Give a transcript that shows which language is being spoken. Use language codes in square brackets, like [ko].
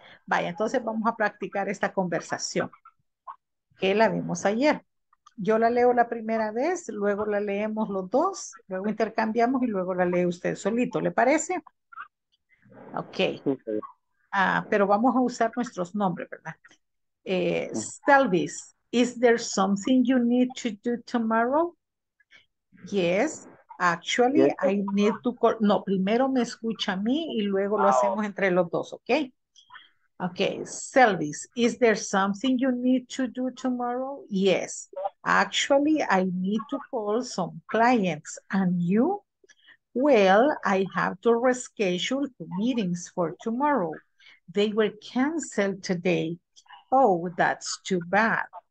[es] Vaya, entonces vamos a practicar esta conversación que la vimos ayer. Yo la leo la primera vez, luego la leemos los dos, luego intercambiamos y luego la lee usted solito, ¿le parece? Ok. Ah, pero vamos a usar nuestros nombres, ¿verdad? [en] Stelvis, is there something you need to do tomorrow? Yes, actually, I need to call. [es] No, primero me escucha a mí y luego lo hacemos entre los dos, ¿ok? [en] Ok, Selvis, is there something you need to do tomorrow? Yes, actually, I need to call some clients. And you? Well, I have to reschedule 2 meetings for tomorrow. They were canceled today. Oh, that's too bad.